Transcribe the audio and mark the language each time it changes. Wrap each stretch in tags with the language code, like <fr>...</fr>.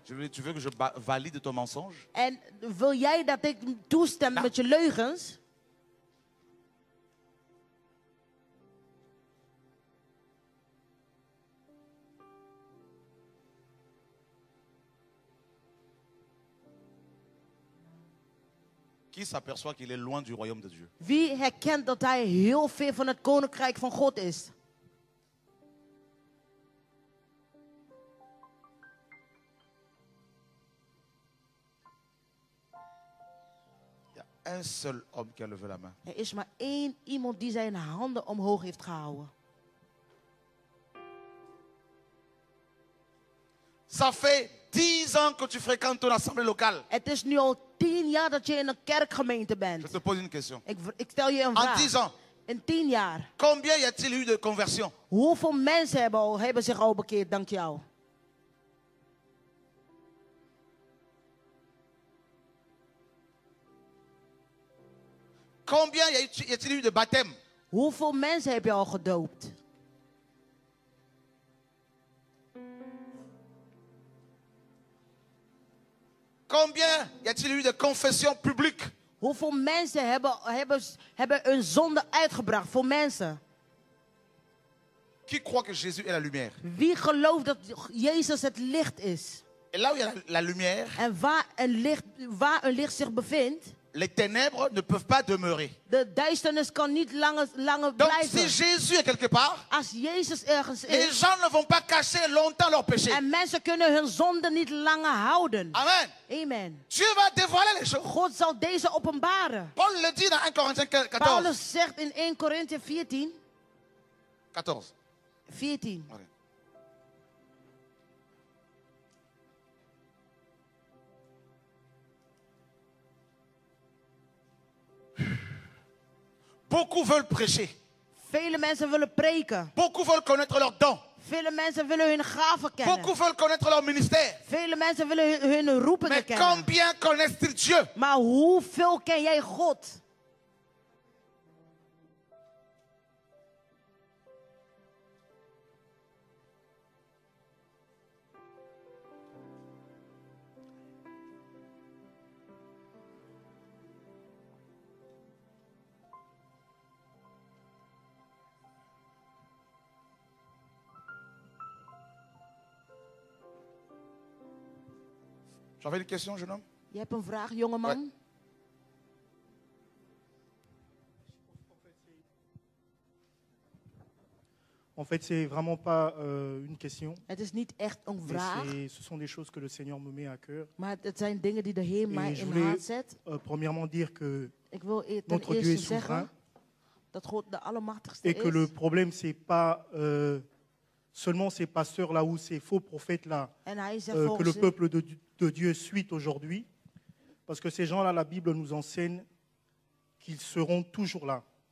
<fr>Je lui, tu veux que je valide ton mensonge?</fr> <nl>En wil jij dat ik toestem met je leugens?</nl> <fr>Qui s'aperçoit qu'il est loin du royaume de Dieu.</fr> <nl>Wie herkent dat hij heel ver van het koninkrijk van God is?</nl> <fr>Il y a un seul homme qui a levé la main.</fr> <nl>Er is maar één iemand die zijn handen omhoog heeft gehouden.</nl> <fr>Ça fait 10 ans que tu fréquentes ton assemblée locale.</fr> <nl>Het is nu al 10 jaar dat je in een kerkgemeente bent.</nl> <fr>Je te pose une question.</fr> <nl>Ik stel je een vraag.</nl> <fr>En 10 ans,</fr> <nl>in 10 jaar.</nl> <fr>Combien y a-t-il eu de conversion?</fr> <nl>Hoeveel mensen hebben zich al bekeerd dank jou?</nl> <fr>Combien y a-t-il eu de baptême?</fr> <nl>Hoeveel mensen heb je al gedoopt?</nl> <fr>Combien y a-t-il eu de confessions publiques?</fr> <nl>Hoeveel mensen hebben een zonde uitgebracht voor mensen?</nl> <fr>Qui croit que Jésus est la lumière?</fr> <nl>Wie gelooft dat Jezus het licht is?</nl> <fr>Et là où y a la lumière,</fr> <nl>en waar een licht zich bevindt,</nl> <fr>les ténèbres ne peuvent pas demeurer.</fr> <nl>De duisternis kan niet langer</nl> <fr>donc,</fr> <nl>blijven.</nl> <fr>Si Jésus est quelque part,</fr> <nl>als Jezus ergens</nl> <fr>les</fr> <nl>is,</nl> <fr>gens ne vont pas cacher longtemps leur péché.</fr> <nl>En mensen kunnen hun zonde niet langer houden. Amen. Amen.</nl> <fr>Dieu va dévoiler les choses.</fr> <nl>God zal deze openbaren.</nl> <fr>Paul le dit dans 1 Corinthiens 14.</fr> <nl>Paulus zegt in 1 Corinthiens 14. 14. 14. Okay.</nl> <fr>Beaucoup veulent prêcher.</fr> <nl>Vele mensen willen preken.</nl> <fr>Beaucoup veulent connaître leurs dons.</fr> <nl>Vele mensen willen hun gaven kennen.</nl> <fr>Beaucoup veulent connaître leur ministère.</fr> <nl>Vele mensen willen hun roeping kennen.</nl> <fr>Mais combien connaissent-ils Dieu?</fr> <nl>Maar hoeveel ken jij God?</nl> <fr>J'avais une question, jeune homme.</fr> <nl>Je hebt een vraag, jongeman.</nl> <fr>Ouais. En fait, c'est vraiment pas une question.</fr> <nl>Het is niet echt een vraag.</nl> <fr>Ce sont des choses que le Seigneur me met à cœur.</fr> <nl>Maar het zijn dingen die de Heer mij in hart zet.</nl> <fr>Premièrement dire que</fr> <nl>ik wil</nl> <fr>notre Dieu est souverain.</fr> <nl>dat God de Allemachtigste</nl> <fr>et que le problème c'est pas seulement ces pasteurs là ou ces faux prophètes là que le peuple de Dieu suit aujourd'hui, parce que ces gens là la Bible nous enseigne qu'ils seront toujours là.</fr>